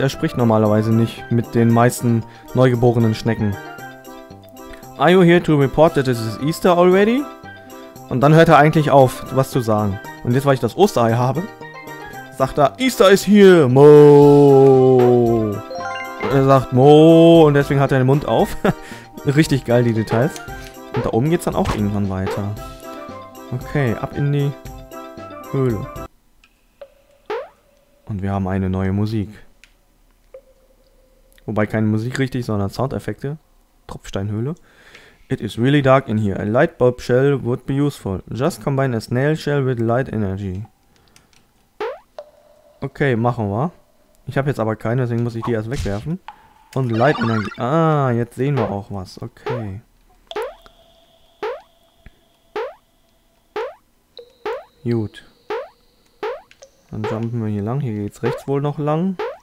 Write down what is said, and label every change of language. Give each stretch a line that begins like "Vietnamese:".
German: Er spricht normalerweise nicht mit den meisten neugeborenen Schnecken.
English: Are you here to report that it is Easter already?
German: Und dann hört er eigentlich auf, was zu sagen. Und jetzt, weil ich das Osterei habe, sagt er, Easter ist hier, Mo. Und er sagt, Mo, und deswegen hat er den Mund auf. Richtig geil, die Details. Und da oben geht's dann auch irgendwann weiter. Okay, ab in die Höhle. Und wir haben eine neue Musik. Wobei keine Musik richtig, sondern Soundeffekte. Tropfsteinhöhle.
English: It is really dark in here. A light bulb shell would be useful. Just combine a snail shell with light energy.
German: Okay, machen wir. Ich habe jetzt aber keine, deswegen muss ich die erst wegwerfen. Und Light Energy. Ah, jetzt sehen wir auch was. Okay. Gut. Dann jumpen wir hier lang. Hier geht's rechts wohl noch lang.